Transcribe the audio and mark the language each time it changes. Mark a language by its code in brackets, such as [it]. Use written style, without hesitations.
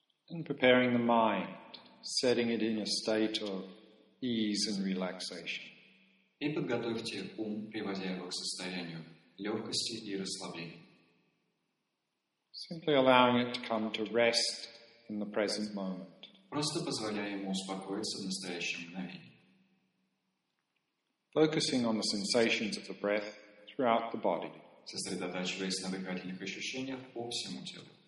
[en] And preparing the mind, setting it in a state of ease and relaxation. [ru] И подготовьте ум, приводя его к состоянию легкости и расслабления. [en] Simply allowing it to come to rest in the present moment. [ru] Просто позволяя ему успокоиться в настоящем мгновении. [en] Focusing on the sensations of the breath throughout the body. [ru] Сосредотачиваясь на дыхательных ощущениях по всему телу.